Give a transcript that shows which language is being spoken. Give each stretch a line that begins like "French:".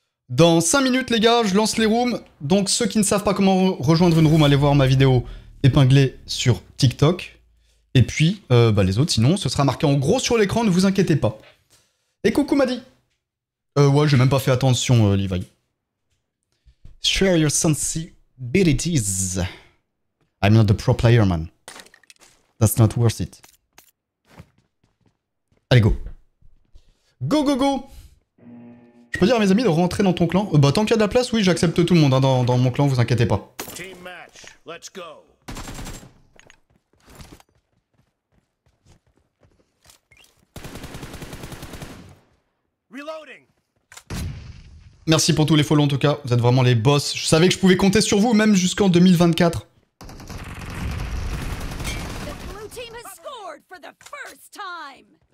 French: Dans 5 minutes, les gars, je lance les rooms. Donc, ceux qui ne savent pas comment rejoindre une room, allez voir ma vidéo épinglée sur TikTok. Et puis, les autres, sinon, ce sera marqué en gros sur l'écran, ne vous inquiétez pas. Et coucou, Maddy. Ouais, j'ai même pas fait attention, Levi.
English: Share your sensibilities. I'm not a pro player, man. That's not worth it. Allez, go. Go, go, go.
French: Je peux dire à mes amis de rentrer dans ton clan? Tant qu'il y a de la place, oui, j'accepte tout le monde hein, dans mon clan, vous inquiétez pas.
English: Team match, let's go.
French: Reloading. Merci pour tous les follows en tout cas, vous êtes vraiment les boss. Je savais que je pouvais compter sur vous, même jusqu'en 2024.
English: The blue team has scored for the first time.